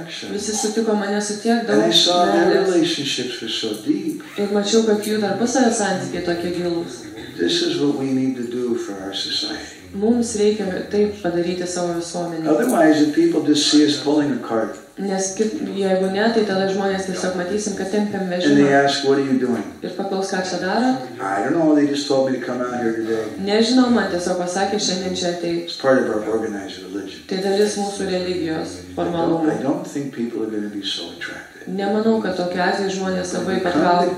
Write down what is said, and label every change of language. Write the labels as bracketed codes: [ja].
[lt] Visi sutiko mane su tiek daug meilės. Ir mačiau, kad jų tarpusavio santykiai tokie gilūs. [en] This is what we need to do for our society. [lt] Mums reikia taip padaryti savo visuomenę. [en] Otherwise, if people just see us pulling a cart. [lt] Nes jeigu ne, tai tada žmonės tiesiog matysim, kad tempiam vežimą. [en] And they ask, what are you doing? [lt] Ir paklaus, ką čia daro? [en] I don't know, they just told me to come out here today. [lt] Nežinau, man tiesiog pasakė, šiandien čia ateit. [en] It's part of our organized religion. [lt] Tai dalis mūsų religijos formalumo. [en] I don't think people are going to be so attracted. [lt] Nemanau, kad tokie atveju žmonės labai patrauktų.